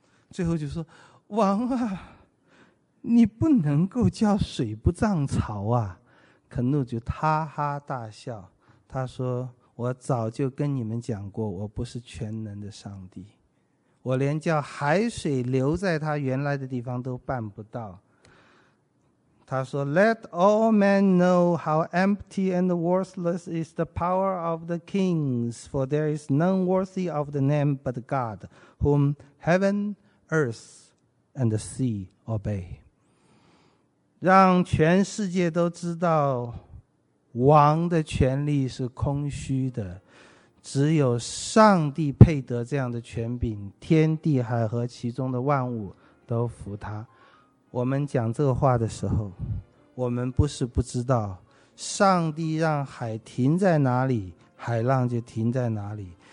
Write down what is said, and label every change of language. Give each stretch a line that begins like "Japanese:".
Chinese: 最后就说，王啊，你不能够叫水不涨潮啊。可努就哈哈大笑，他说，我早就跟你们讲过，我不是全能的上帝，我连叫海水留在它原来的地方都办不到。他说
English: Let all men know how empty and worthless is the power of the kings, for there is none worthy of the name but God, whom heaven, earth, and the sea obey.
Chinese: 让全世界都知道王的权力是空虚的，只有上帝配得这样的权柄，天地海和其中的万物都服他。我们讲这个话的时候，我们不是不知道，上帝让海停在哪里，海浪就停在哪里。